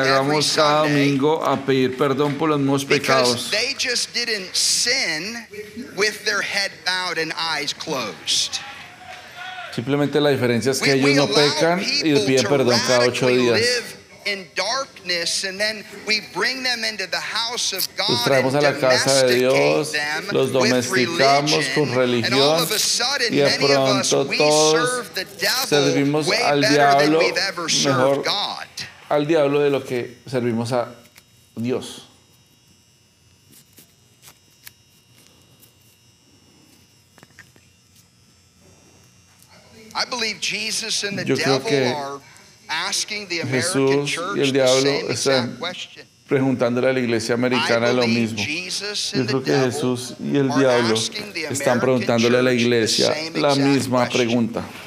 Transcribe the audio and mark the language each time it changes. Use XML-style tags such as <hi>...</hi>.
<es>hagamos cada domingo a pedir perdón por los mismos pecados.</es> <en>They just didn't sin with their head bowed and eyes closed.</en> <es>Simplemente la diferencia es que ellos no pecan y piden perdón cada 8 días.</es> <en>In darkness, and then we bring them into the house of God.</en> <es>Los traemos a la casa de Dios, los domesticamos con religión, y de pronto todos servimos al diablo mejor al diablo de lo que servimos a Dios.</es> <en>I believe Jesus and the devil are asking the American church the same exact question.</en> <es>preguntándole a la iglesia americana lo mismo. Yo creo que Jesús y el diablo están preguntándole a la iglesia la misma pregunta.</es>